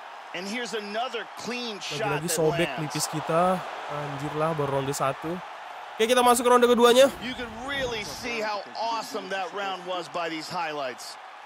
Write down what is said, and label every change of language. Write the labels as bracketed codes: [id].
[en] And here's another clean shot. [id] Lagi-lagi sobek nipis kita. Anjir lah, baru ronde 1. Oke, kita masuk ke ronde keduanya. [en] You can really see how awesome that round was by these highlights.